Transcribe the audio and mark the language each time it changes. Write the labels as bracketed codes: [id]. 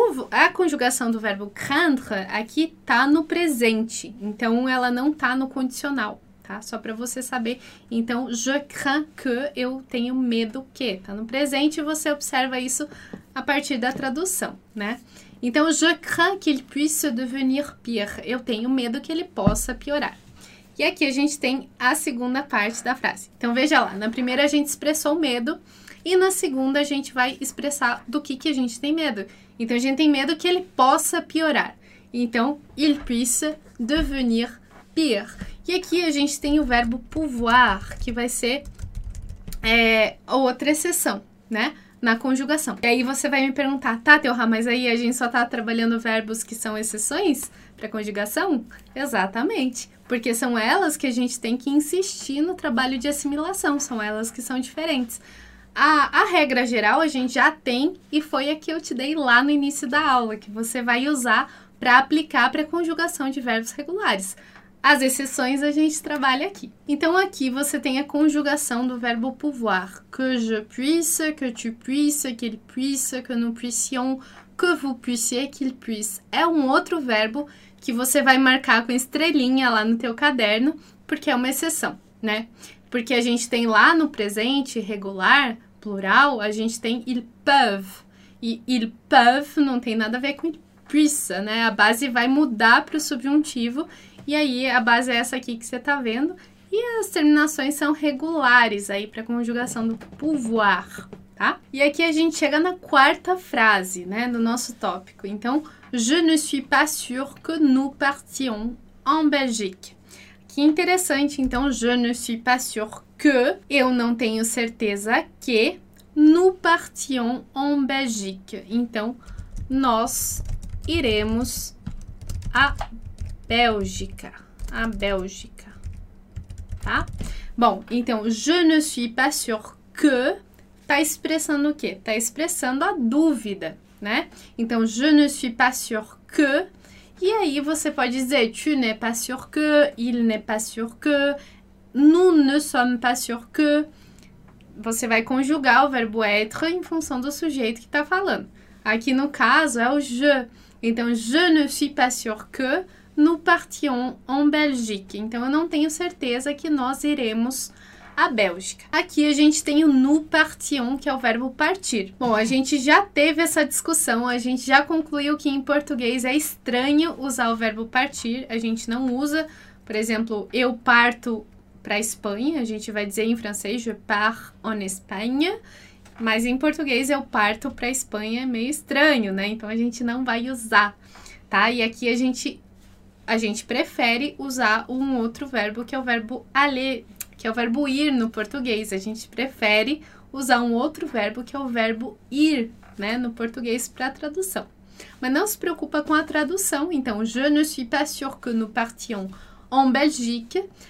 [pt] A conjugação do verbo craindre aqui tá no presente, então ela não tá no condicional, tá? Só para você saber. Então, [fr] je crains que, [pt] eu tenho medo que. Tá no presente e você observa isso a partir da tradução, né? [fr] Então, je crains qu'il puisse devenir pire. [pt] Eu tenho medo que ele possa piorar. E aqui a gente tem a segunda parte da frase. Então, veja lá. Na primeira, a gente expressou medo. E na segunda, a gente vai expressar do que a gente tem medo. Então, a gente tem medo que ele possa piorar. Então, [fr] il puisse devenir pire. [pt] E aqui a gente tem o verbo pouvoir, que vai ser outra exceção, né? Na conjugação. E aí você vai me perguntar, tá, Teoha, mas aí a gente só tá trabalhando verbos que são exceções para conjugação? Exatamente. Porque são elas que a gente tem que insistir no trabalho de assimilação, são elas que são diferentes. A regra geral a gente já tem e foi a que eu te dei lá no início da aula, que você vai usar para aplicar para conjugação de verbos regulares. As exceções a gente trabalha aqui. Então, aqui você tem a conjugação do verbo pouvoir. [fr] Que je puisse, que tu puisse, qu'il puisse, que nous puissions, que vous puissiez, qu'il puisse. [pt] É um outro verbo que você vai marcar com estrelinha lá no teu caderno, porque é uma exceção, né? Porque a gente tem lá no presente, regular, plural, a gente tem [fr] ils peuvent. [pt] E [fr] ils peuvent [pt] não tem nada a ver com [fr] ils puissent, [pt] né? A base vai mudar para o subjuntivo. E aí, a base é essa aqui que você está vendo. E as terminações são regulares aí para conjugação do pouvoir, tá? E aqui a gente chega na quarta frase, né, do nosso tópico. [fr] Então, je ne suis pas sûr que nous partions en Belgique. [pt] Que interessante, então, [fr] je ne suis pas sûr que, [pt] eu não tenho certeza que, [fr] Nous partions en Belgique. [pt] Então, nós iremos à Bélgica. À Bélgica. Tá? Bom, então, [fr] je ne suis pas sûr que [pt] tá expressando o quê? Tá expressando a dúvida, né? Então, [fr] je ne suis pas sûr que. [pt] E aí você pode dizer [fr] tu n'es pas sûr que, [pt] il n'est pas sûr que, nous ne sommes pas sûr que. Você vai conjugar o verbo être em função do sujeito que está falando. Aqui no caso é o je. [fr] Então, je ne suis pas sûr que nous partions en Belgique. [pt] Então, eu não tenho certeza que nós iremos à Bélgica. Aqui a gente tem o [fr] nous partions, [pt] que é o verbo partir. Bom, a gente já teve essa discussão, a gente já concluiu que em português é estranho usar o verbo partir. A gente não usa, por exemplo, eu parto para a Espanha, a gente vai dizer em francês [fr] je pars en Espagne, [pt] mas em português eu parto para a Espanha é meio estranho, né? Então a gente não vai usar, tá? E aqui a gente prefere usar um outro verbo que é o verbo aller, que é o verbo ir no português. A gente prefere usar um outro verbo que é o verbo ir, né? No português para tradução. Mas não se preocupa com a tradução. [fr] Então, je ne suis pas sûr que nous partions en Belgique.